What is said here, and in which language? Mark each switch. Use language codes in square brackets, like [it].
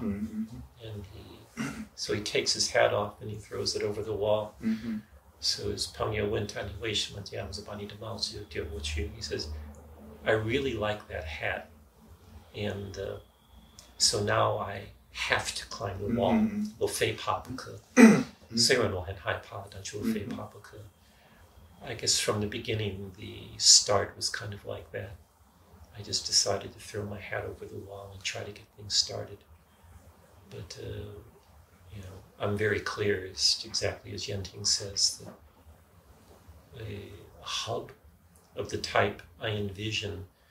[en] And he takes his hat off and he throws it over the wall. So his [zh] 朋友问他你为什么这样子把你的帽子就丢过去. [en] He says, I really like that hat. And so now I have to climb the wall. [zh] 我非爬不可。虽然我很害怕，但是我非爬不可。 [en] I guess from the beginning, the start was kind of like that. I just decided to throw my hat over the wall and try to get things started. But, I'm very clear, it's exactly as Yenting says, that a hub of the type I envision.